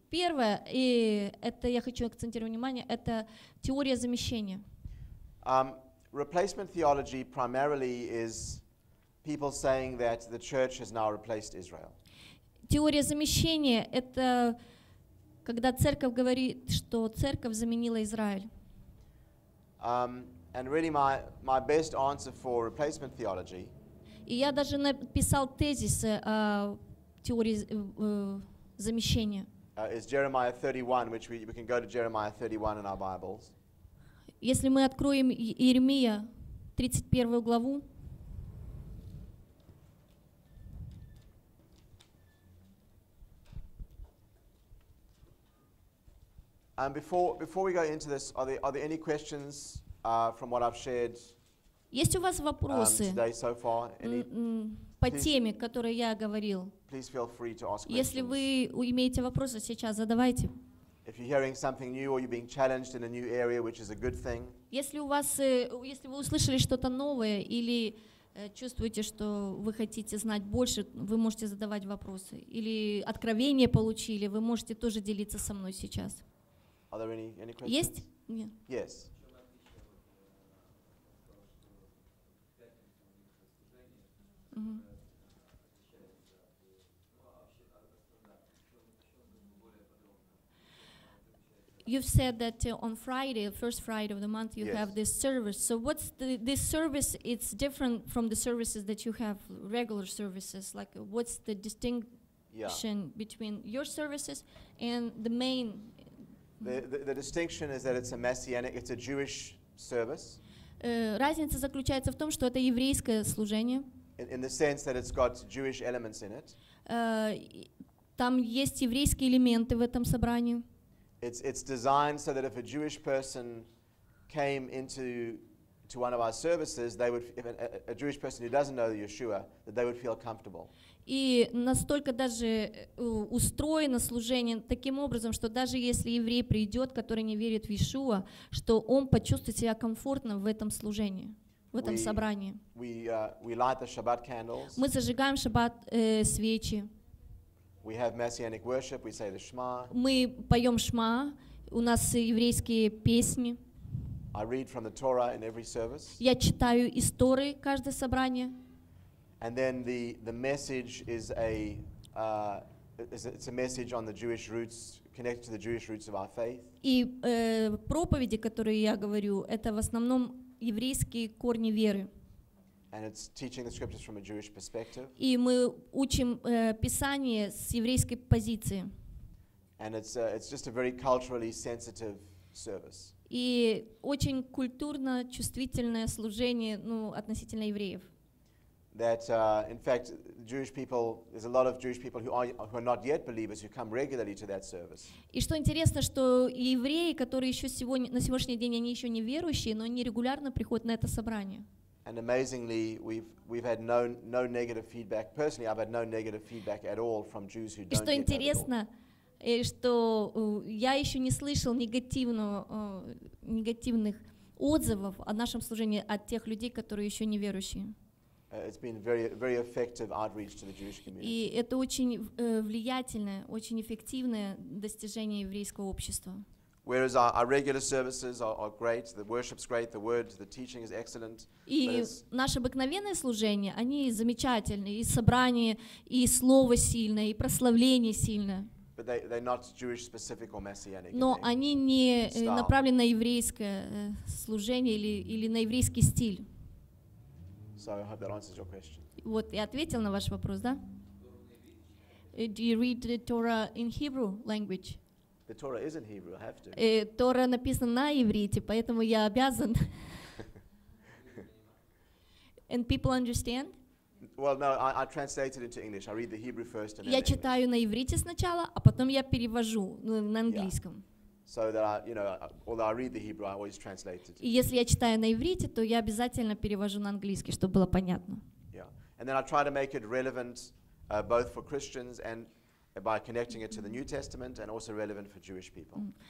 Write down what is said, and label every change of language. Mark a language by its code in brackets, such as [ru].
[ru] Первое, и это я хочу акцентировать внимание, это теория замещения. [en] Replacement theology primarily is people saying that the church has now replaced Israel. [ru] Теория замещения — это когда церковь говорит, что церковь заменила Израиль. [en] And really my best answer for replacement theology. [ru] И я даже написал тезис о теории замещения. [en] Is Jeremiah 31, which we can go to Jeremiah 31 in our Bibles. [ru] Если мы откроем Иеремия 31 главу. [en] And before we go into this, are there any questions from what I've shared? [ru] Есть у вас вопросы [en] so far, [ru] по теме, о которой я говорил? [en] Please feel free to ask. [ru] Если вы имеете вопросы, сейчас задавайте. [en] If you're hearing something new or you're being challenged in a new area, which is a good thing. [ru] Если вы услышали что-то новое или чувствуете, что вы хотите знать больше, вы можете задавать вопросы. Или откровение получили, вы можете тоже делиться со мной сейчас. [en] Are there any questions? [ru] Есть? Нет. [en] Yes. You've said that on Friday, the first Friday of the month, you have this service. So what's this service? It's different from the services that you have, regular services. Like, what's the distinction between your services and the main? The distinction is that it's a messianic, it's a Jewish service. [ru] Разница заключается в том, что это еврейское служение. [en] In the sense that it's got Jewish elements in it. [ru] Там есть еврейские элементы в этом собрании. [en] It's designed so that if a Jewish person came into one of our services, they would, if a Jewish person who doesn't know Yeshua, that they would feel comfortable. [ru] И настолько даже устроено служение таким образом, что даже если еврей придет, который не верит в Иешуа, что он почувствует себя комфортно в этом служении. В этом собрании. [en] We light the Shabbat candles. [ru] Мы зажигаем Шаббат свечи. [en] We have messianic worship. We say the Shema. [ru] Мы поем Шма. У нас еврейские песни. [en] I read from the Torah in every service. [ru] Я читаю из Торы каждое собрание. [en] And then the message is it's a message on the Jewish roots, connected to the Jewish roots of our faith. [ru] И проповеди, которые я говорю, это в основном еврейские корни веры. [en] And it's teaching the scriptures from a Jewish perspective. [ru] И мы учим Писание с еврейской позиции. [en] And it's just a very culturally sensitive service. [ru] И очень культурно чувствительное служение, ну, относительно евреев. [en] That in fact, Jewish people, there's a lot of Jewish people who are not yet believers who come regularly to that service. [ru] И что интересно, что евреи, которые еще сегодня на сегодняшний день они еще не верующие, но они регулярно приходят на это собрание. [en] And amazingly, we've had no negative feedback. Personally, I've had no negative feedback at all from Jews who don't yet. [ru] И что интересно, что я еще не слышал негативных отзывов о нашем служении от тех людей, которые еще не верующие. [en] It's been very, very effective outreach to the Jewish community. [ru] И это очень влиятельное, очень эффективное достижение еврейского общества. [en] Whereas our regular services are great, the worship's great, the word, the teaching is excellent. [ru] И наши обыкновенные служения, они замечательные, и собрание, и слово сильное, и прославление сильное. [en] But they're not Jewish specific or messianic. [ru] Но они не направлены на еврейское служение или на еврейский стиль. [en] So I hope that answers your question. [ru] Вот я ответил на ваш вопрос, да? [en] Do you read the Torah in Hebrew language? The Torah is in Hebrew. I have to. [ru] Тора написана на иврите, поэтому я обязан. [en] And people understand? Well, no, I translate it into English. I read the Hebrew first and then. [ru] Я читаю на иврите сначала, а потом я перевожу на английском. [en] Yeah. So that I, you know, although I read the Hebrew, I always translate it. [ru] И если я читаю на иврите, то я обязательно перевожу на английский, чтобы было понятно. [en] Yeah. And then I try to make it relevant both for Christians and by connecting it to the New Testament and also relevant for Jewish people.